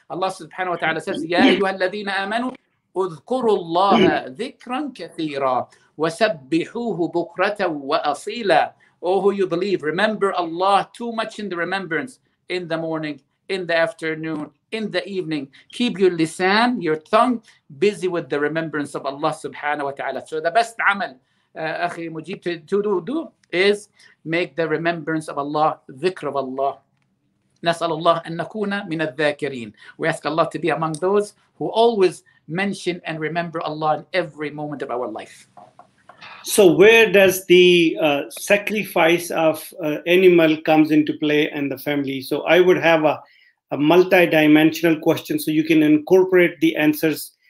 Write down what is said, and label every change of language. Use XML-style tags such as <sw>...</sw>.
<ar>Allah subhanahu wa ta'ala says, يا أيها الذين آمنوا اذكروا الله ذكرا كثيرا وسبحوه بكرة وأصيلا.</ar> <en>Oh, who you believe, remember Allah too much in the remembrance, in the morning, in the afternoon, in the evening. Keep your lisan, your tongue, busy with the remembrance of Allah subhanahu wa ta'ala. So the best amal,</en> <ar>أخي مجيب,</ar> <en>to do is make the remembrance of Allah, ذكر of Allah.</en> <ar>نسأل الله أن نكون من الذاكرين.</ar> <en>We ask Allah to be among those who always mention and remember Allah in every moment of our life. So where does the sacrifice of animal comes into play in the family? So I would have a multi-dimensional question so you can incorporate the answers.</en>